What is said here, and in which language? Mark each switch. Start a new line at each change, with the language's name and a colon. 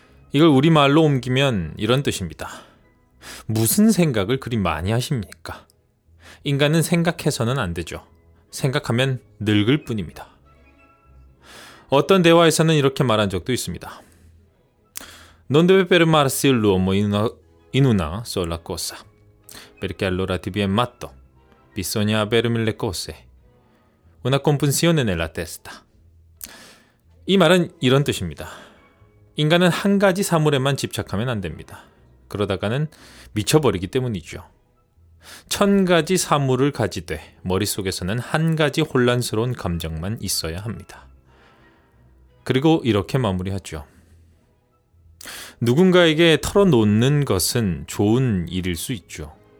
Korean: 이걸 우리말로 옮기면 이런 뜻입니다. 무슨 생각을 그리 많이 하십니까? 인간은 생각해서는 안 되죠. 생각하면 늙을 뿐입니다. 어떤 대화에서는 이렇게 말한 적도 있습니다.
Italian: Non deve fermarsi l'uomo in una sola cosa. Perché allora ti viene matto. Bisogna avere mille cose. Una confusione nella testa.
Korean: 이 말은 이런 뜻입니다. 인간은 한 가지 사물에만 집착하면 안 됩니다. 그러다가는 미쳐버리기 때문이죠. 천 가지 사물을 가지되 머릿속에서는 한 가지 혼란스러운 감정만 있어야 합니다. 그리고 이렇게 마무리하죠. 누군가에게 털어놓는 것은 좋은 일일 수 있죠.